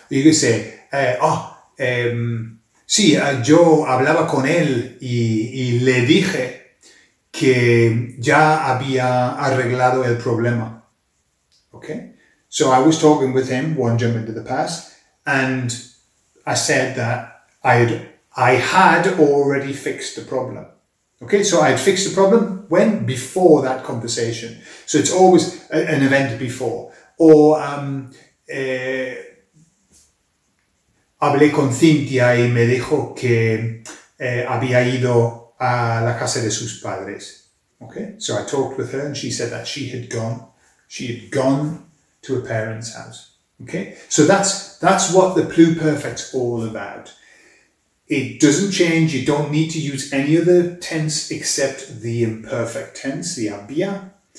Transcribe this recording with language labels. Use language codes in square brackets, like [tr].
[en] You could say, [es] sí, yo hablaba con él y le dije que ya había arreglado el problema. Okay? [en] So I was talking with him, one jump into the past, and I said that I had already fixed the problem. Okay, so I had fixed the problem when? Before that conversation. So it's always an event before. Or [es] hablé con Cintia y me dijo que había ido a la casa de sus padres. [en] Okay, so I talked with her and she said that she had gone to a parent's house. Okay, so that's what the pluperfect's all about. It doesn't change. You don't need to use any other tense except the imperfect tense, the había.